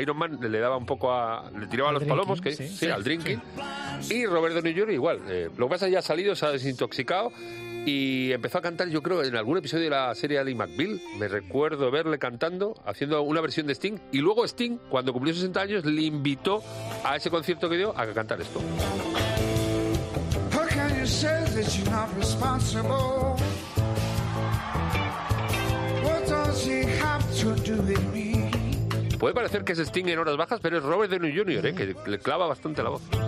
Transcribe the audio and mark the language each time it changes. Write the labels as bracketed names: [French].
[Spanish] Iron Man le daba un poco a... le tiraba al los drinking, palomos, que sí, al drinking. Sí. Y Robert Downey Jr. igual. Lo que pasa es que ya salido, se ha desintoxicado y empezó a cantar, yo creo, en algún episodio de la serie Ally McBeal. Me recuerdo verle cantando, haciendo una versión de Sting, y luego Sting, cuando cumplió 60 años, le invitó a ese concierto que dio a cantar esto. [English] How can you say that you're not responsible? What does he have to do with me? [Spanish] Puede parecer que es Sting en horas bajas, pero es Robert Downey Jr., que le clava bastante la voz.